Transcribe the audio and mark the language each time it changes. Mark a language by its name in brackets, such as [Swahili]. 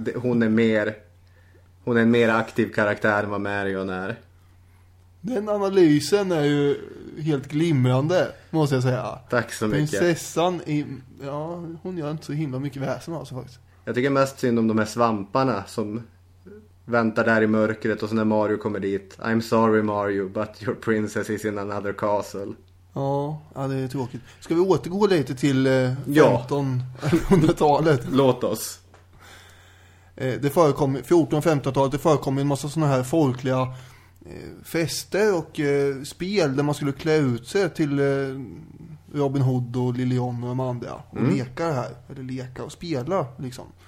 [Swedish] Hon är en mer aktiv karaktär än vad Marion är. Den analysen är ju helt glimrande, måste jag säga. Tack så prinsessan mycket. Prinsessan i, ja, hon gör inte så himla mycket väsen alltså faktiskt. Jag tycker mest synd om de här svamparna som väntar där i mörkret och så när Mario kommer dit. [English] I'm sorry Mario, but your princess is in another castle. [Swedish] Ja, det är tråkigt. Ska vi återgå lite till 1500-talet? Låt oss. Det förekom 1400-1500-talet, det förekom en massa såna här folkliga fester och spel där man skulle klä ut sig till Robin Hood och Lille John och de andra och leka det här, eller leka och spela liksom.